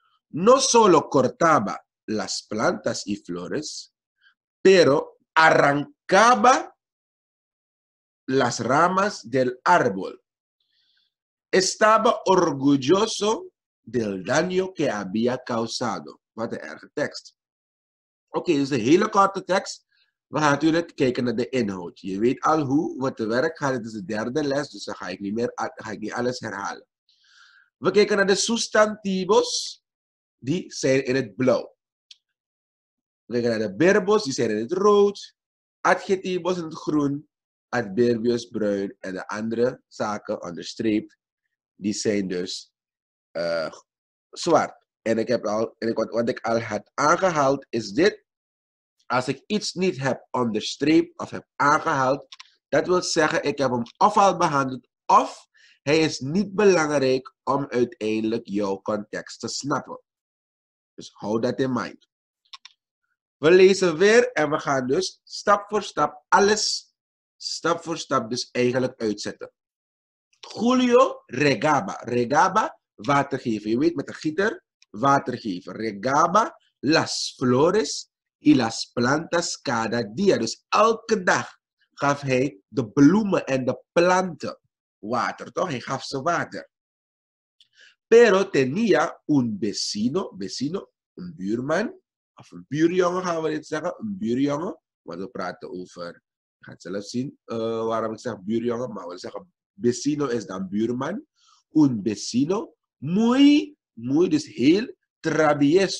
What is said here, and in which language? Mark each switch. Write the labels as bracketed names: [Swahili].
[Spanish] No solo cortaba las plantas y flores, pero arrancaba las ramas del árbol. Estaba orgulloso del daño que había causado. [Dutch] Wat een erge tekst. Oké, dus een hele korte tekst. We gaan natuurlijk kijken naar de inhoud. Je weet al hoe we te werk gaan. Het is de derde les, dus dan ga ik niet alles herhalen. We kijken naar de sustantivos, die zijn in het blauw. We kijken naar de verbos, die zijn in het rood. Adjetivos in het groen. Adverbios bruin. En de andere zaken, onderstreept, die zijn dus zwart. En ik heb al, wat ik al had aangehaald, is dit. Als ik iets niet heb onderstreept of heb aangehaald, dat wil zeggen, ik heb hem of al behandeld, of hij is niet belangrijk om uiteindelijk jouw context te snappen. Dus hou dat in mind. We lezen weer en we gaan dus stap voor stap alles, stap voor stap dus eigenlijk uitzetten. [Spanish] Julio regaba. Regaba, [Dutch] water geven. Je weet, met een gieter, water geven. [Spanish] Regaba las flores y las plantas cada día. [Dutch] Dus elke dag gaf hij de bloemen en de planten water, toch? Hij gaf ze water. [Spanish] Pero tenía un vecino, [Dutch] een buurman, of een buurjongen gaan we dit zeggen, een buurjongen. Want we praten over, je gaat zelf zien waarom ik zeg buurjongen, maar we zeggen vecino is dan buurman. [Spanish] Un vecino muy, muy, [Dutch] dus heel [Spanish] travieso.